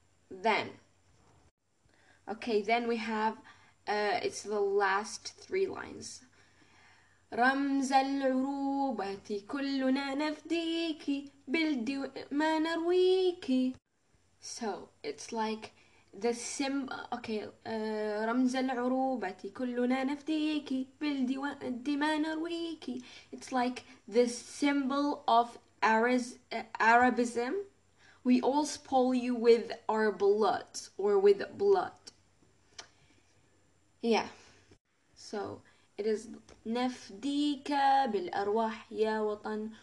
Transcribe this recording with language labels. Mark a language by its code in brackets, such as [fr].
[en] Then okay, then we have it's the last three lines. [ar] رمز العروبة كلنا نفديكي بلدي ما نرويكي. [en] So it's like the symbol. [ar] Okay, رمز العروبة كلنا نفديكي بلدي ودي ما نرويكي. [en] It's like the symbol of Arabism. We all spoil you with our blood, or with blood. Yeah. So it is [ar] نفديكَ بالأرواح يا وطن.